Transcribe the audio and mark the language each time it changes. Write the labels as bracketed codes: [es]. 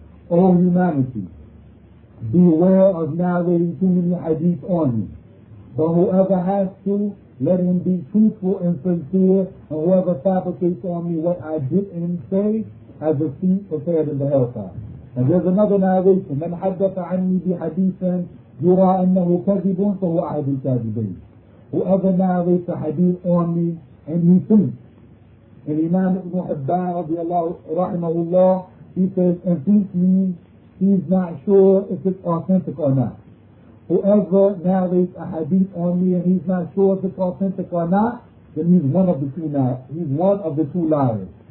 [en] O humanity, beware of narrating too many hadith on me. But whoever has to, let him be truthful and sincere, and whoever fabricates on me what I did and say, has a seat prepared in the hellfire. And there's another narration, [ar] مَنْ حَدَّثَ عَنِّي بِحَدِيثًا يُرَى أَنَّهُ كَذِبٌ فَهُوَ أَحَدُ الْكَاذِبَيْنِ. [en] Whoever narrates a hadith on me, and he thinks, and Imam Ibn Hibban رضي الله رحمه الله, he says, and thinks means he's not sure if it's authentic or not. Whoever narrates a hadith on me and he's not sure if it's authentic or not, then he's one of the two liars.